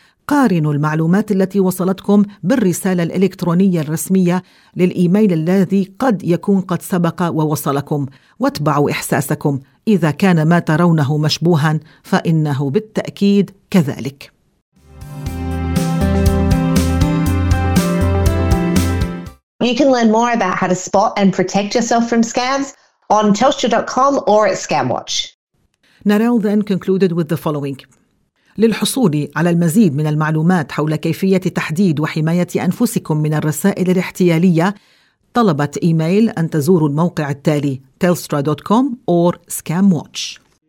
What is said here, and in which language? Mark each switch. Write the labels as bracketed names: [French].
[Arabic] قارنوا المعلومات التي وصلتكم بالرسالة الإلكترونية الرسمية للإيميل الذي قد يكون قد سبق ووصلكم واتبعوا إحساسكم، إذا كان ما ترونه مشبوهاً فإنه بالتأكيد كذلك. [English] You can learn more about how to spot and protect yourself from scams on telstra.com or at ScamWatch. Narelle then concluded with the following. [Arabic] للحصول على المزيد من المعلومات حول كيفية تحديد وحماية أنفسكم من الرسائل الاحتيالية، طلبت إيميل أن تزوروا الموقع التالي telstra.com or ScamWatch.